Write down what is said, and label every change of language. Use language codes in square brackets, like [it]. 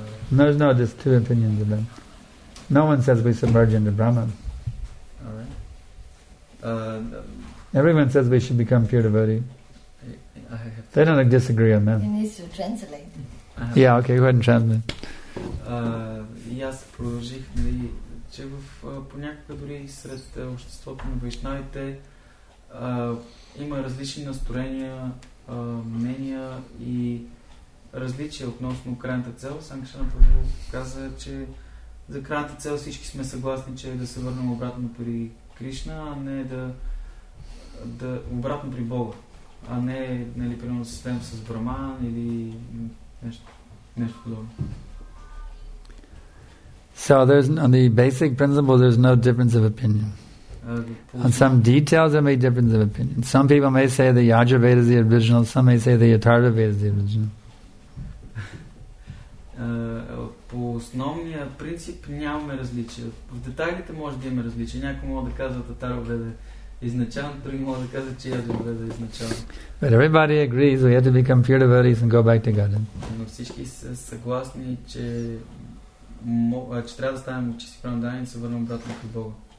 [en] There's no just two opinions of them. No one says we submerge into Brahman. All right. Everyone says we should become pure devotee. They don't disagree on that. He needs to translate. Yeah, okay, go ahead and translate. [bg] И аз продължих, нали, че в понякога дори сред обществото на вайшнавите има различни настроения, мнения и различия относно крайната цел. Санкаршана Прабху каза, че за крайната цел всички сме съгласни, че е да се върнем обратно при Кришна, а не да обратно при Бога. А не, нали, примерно да се следим с Браман или нещо подобно. [en] So there's on the basic principle, there's no difference of opinion. On some details, there may be difference of opinion. Some people may say the Yajurveda is the original, some may say the Atharvaveda is the original. [bg] По основния принцип нямаме различия. В детайлите може да имаме различия. Някои могат да казват Атарваведа изначално, други могат да казват, че Яджурведа е изначално. [en] But everybody agrees we have to become pure devotees and go back to Godhead. [bg] Но всички са съгласни, че трябва да ставим чисти преданни и се върнем обратно към Бога.